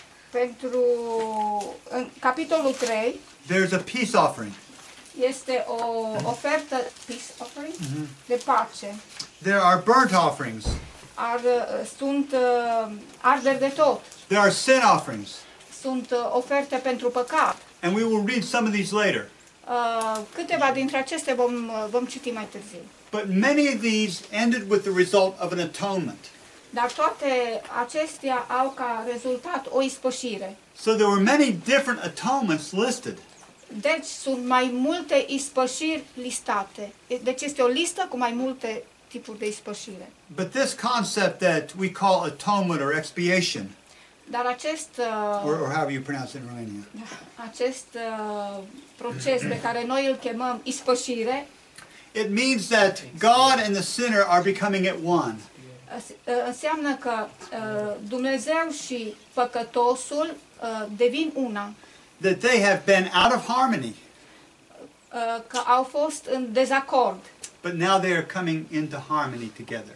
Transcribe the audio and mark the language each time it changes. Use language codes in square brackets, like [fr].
[ro] pentru în capitolul 3, [en] there's a peace offering. [ro] Este o ofertă, [en] peace offering, [ro] mm-hmm, de pace. [en] There are burnt offerings. [ro] Sunt arderi de tot. [en] There are sin offerings. [ro] Sunt oferte pentru păcat. [en] And we will read some of these later. [ro] Câteva dintre acestea vom citi mai târziu. [en] But many of these ended with the result of an atonement. [ro] Dar toate acestea au ca rezultat o ispășire. [en] So there were many different atonements listed. [ro] Deci sunt mai multe ispășiri listate. Deci este o listă cu mai multe tipuri de ispășire. [en] But this concept that we call atonement or expiation, [ro] Dar acest [en] or how you pronounce it in Romania? [ro] Acest proces pe care noi îl chemăm ispășire. [en] It means that God and the sinner are becoming at one. [ro] Înseamnă că Dumnezeu și păcătosul devin una. [en] That they have been out of harmony. [ro] Că au fost în dezacord. [en] But now they are coming into harmony together.